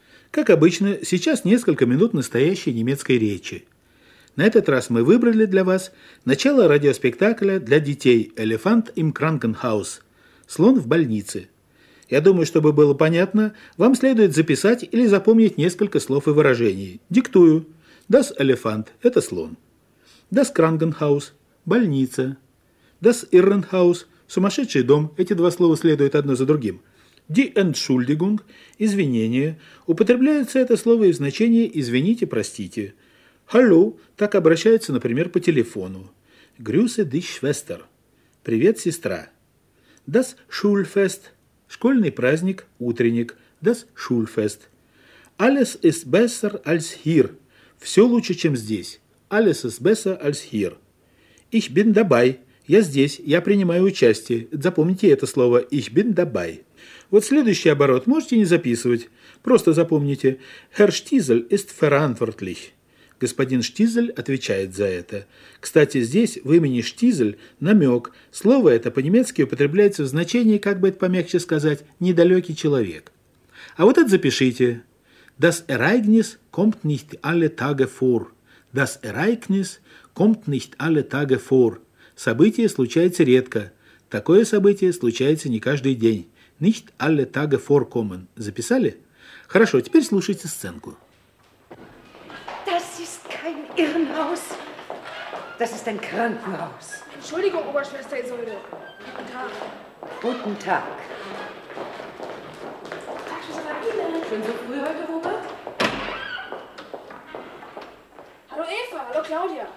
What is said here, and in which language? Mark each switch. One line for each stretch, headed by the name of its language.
Russian: Как обычно, сейчас несколько минут настоящей немецкой речи. На этот раз мы выбрали для вас начало радиоспектакля для детей
German: «Elefant im Krankenhaus»
Russian: – «Слон в больнице». Я думаю, чтобы было понятно, вам следует записать или запомнить несколько слов и выражений. Диктую.
German: «Das Elefant» –
Russian: это слон.
German: «Das Krankenhaus» –
Russian: больница.
German: «Das Irrenhaus»
Russian: – сумасшедший дом. Эти два слова следуют одно за другим.
German: «Die Entschuldigung» –
Russian: «извинение». Употребляется это слово и в значении «извините, простите». «Hallo» – так обращается, например, по телефону.
German: «Grüße dich, Schwester» –
Russian: «привет, сестра».
German: «Das Schulfest»
Russian: – «школьный праздник, утренник».
German: «Das Schulfest» – «Alles ist besser als hier» –
Russian: «все лучше, чем здесь».
German: «Alles ist besser als hier» – «Ich bin dabei» –
Russian: «я здесь, я принимаю участие». Запомните это слово
German: «Ich bin dabei».
Russian: Вот следующий оборот можете не записывать. Просто запомните.
German: Herr Stiesel ist verantwortlich.
Russian: Господин Штизель отвечает за это. Кстати, здесь в имени Штизель намек. Слово это по-немецки употребляется в значении, как бы это помягче сказать, недалекий человек. А вот это запишите.
German: Das Ereignis kommt nicht alle Tage vor. Das Ereignis kommt nicht alle Tage vor.
Russian: Событие случается редко. Такое событие случается не каждый день.
German: Nicht alle Tage vorkommen.
Russian: Записали? Хорошо, теперь слушайте сценку.
German: Das ist kein Irrenhaus. Das ist ein Krankenhaus. Entschuldigung, Oberschwester Isolde. Guten Tag. Guten Tag. Tag, Schwester Marie. Schön so früh heute, Robert. Hallo Eva, hallo Claudia.